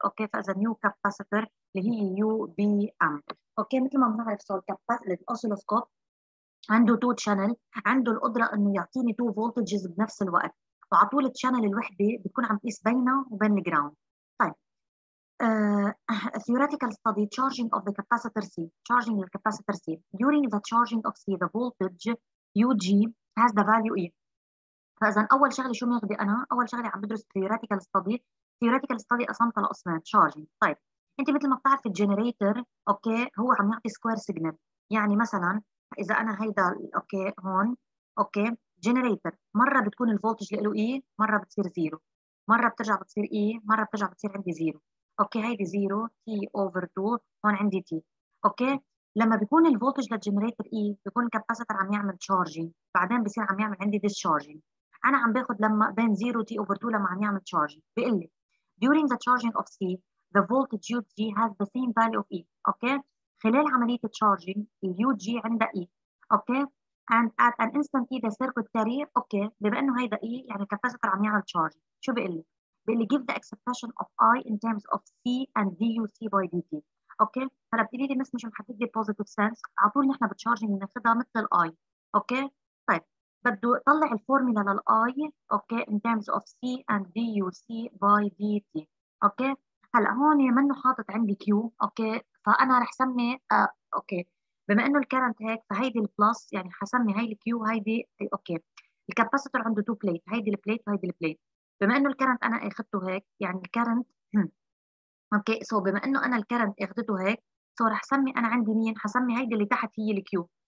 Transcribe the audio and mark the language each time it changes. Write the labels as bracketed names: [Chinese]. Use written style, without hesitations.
[Arabic] اوكي فاذا نيو كاباسيتر اللي هي يو بي ام. اوكي مثل ما بنعرف سو الاوسيلوسكوب عنده تو شانل، عنده القدره انه يعطيني تو فولتجز بنفس الوقت، وعلى طول الشانل الوحده بتكون عم تقيس بينها وبين الجراوند. [English] طيب theoretical study charging of the capacitor C. charging the capacitor C during the charging of C the voltage UG has the value E. [Arabic] فإذا أول شغلة شو ماخذة أنا؟ أول شغلة عم بدرس [English] theoretical study. theoretical study [Arabic] قسمتها لقسمين [English] charging. [Arabic] طيب أنت مثل ما بتعرف الجنريتر أوكي هو عم يعطي square signal، يعني مثلا إذا أنا هيدا أوكي هون أوكي جنريتر، مره بتكون الفولتج له اي، مره بتصير زيرو، مره بترجع بتصير اي، مره بترجع بتصير عندي زيرو. اوكي هيدي زيرو تي اوفر 2 هون عندي تي. اوكي لما بيكون الفولتج للجنريتر اي بيكون الكاباسيتر عم يعمل تشارجينج، بعدين بصير عم يعمل عندي ديسشارجينج. انا عم باخذ لما بين زيرو تي اوفر 2 لما عم يعمل تشارجينج، بيقول لي [English] during the charging of C the voltage UG has the same value of E. [Arabic] اوكي خلال عمليه التشارجينج اليو جي عندها اي. [English] Okay and at an instant T the circuit carry. [Arabic] اوكي بما انه هيدا E يعني الكاباسيتر عم يعمل تشارج، شو بيقول لي؟ [English] بيقول لي give the expression of I in terms of C and DUC by DT. [Arabic] اوكي هلا بتقولي لي مش محدد لي [English] positive sense، [Arabic] على طول نحن بتشارجنج بناخذها مثل ال I. اوكي طيب بده طلع الفورمولا لل I اوكي [English] in terms of C and DUC by DT. [Arabic] اوكي هلا هون منه حاطط عندي Q. اوكي فانا رح سمي اوكي بما انه الكرنت هيك فهيدي البلس، يعني حسمي هاي الكيو هيدي. اوكي الكاباسيتور عنده تو بليت، هيدي البليت وهيدي البليت. بما انه الكرنت انا اخذته هيك يعني الكرنت اوكي سو بما انه انا الكرنت اخذته هيك سو رح سمي انا عندي مين؟ حسمي هيدي اللي تحت هي الكيو.